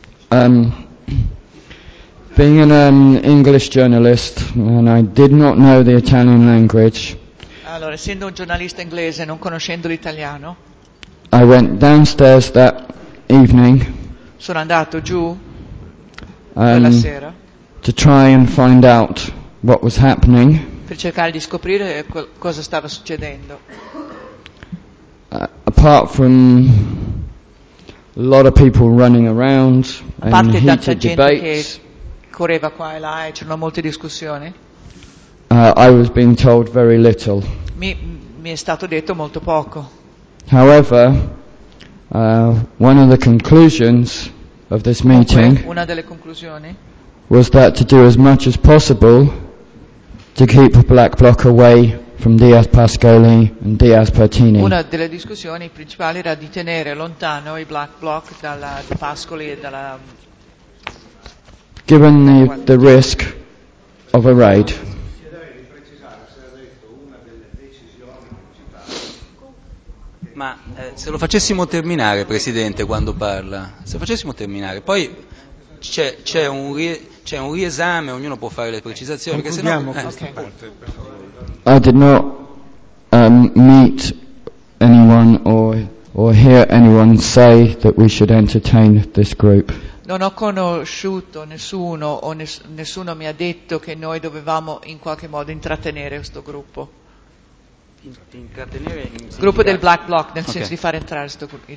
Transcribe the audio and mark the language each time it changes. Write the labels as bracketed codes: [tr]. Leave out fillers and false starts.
[en] Being an English journalist, and I did not know the Italian language. [it] Allora, essendo un giornalista inglese, non conoscendo l'italiano, [en] I went downstairs that evening. [it] Sono andato giù quella sera [en] to try and find out what was happening. [it] Per cercare di scoprire cosa stava succedendo. [en] Apart from a lot of people running around and heated debates. [it] A parte tanta gente che correva qua e là e c'erano molte discussioni. [en] I was being told very little. [it] Mi è stato detto molto poco. [en] However, one of the conclusions of this meeting [it] una delle conclusioni [en] was that to do as much as possible to keep Black Bloc away from Diaz Pascoli and Diaz Pertini. [it] Una delle discussioni principali era di tenere lontano i Black Bloc dalla di Pascoli e dalla [en] given the risk of a raid. [it] Ma se lo facessimo terminare, Presidente, quando parla, se lo facessimo terminare, poi c'è un riesame, ognuno può fare le precisazioni, perché sennò, [en] I did not meet anyone or hear anyone say that we should entertain this group. [it] Non ho conosciuto nessuno o nessuno mi ha detto che noi dovevamo in qualche modo intrattenere questo gruppo. Intrattenere gruppo del Black Bloc, nel senso di far entrare sto